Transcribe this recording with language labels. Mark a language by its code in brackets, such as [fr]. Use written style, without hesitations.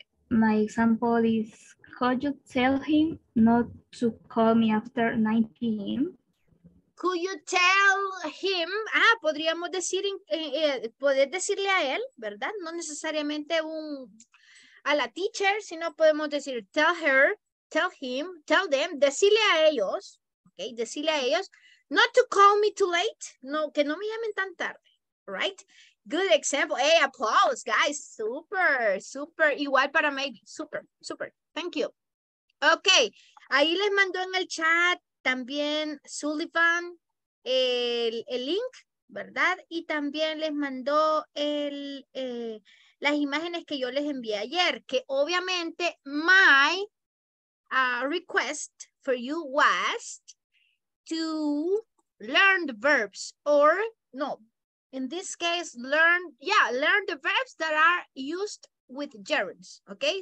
[en] My example is, could you tell him not to call me after 9 p.m.? Could you tell him? [es] Ah, podríamos decir, poder decirle a él, ¿verdad? No necesariamente un... a la teacher, si no podemos decir [en] tell her, tell him, tell them, [es] decirle a ellos, okay, decirle a ellos, [en] not to call me too late, [es] no, que no me llamen tan tarde, [en] right? Good example. Hey, applause, guys, super, [es] igual para [en] maybe, super, thank you. [es] Okay, ahí les mandó en el chat también Sullivan el link, ¿verdad? Y también les mandó las imágenes que yo les envié ayer, que obviamente [en] my request for you was to learn the verbs, or no, in this case, learn the verbs that are used with gerunds, okay?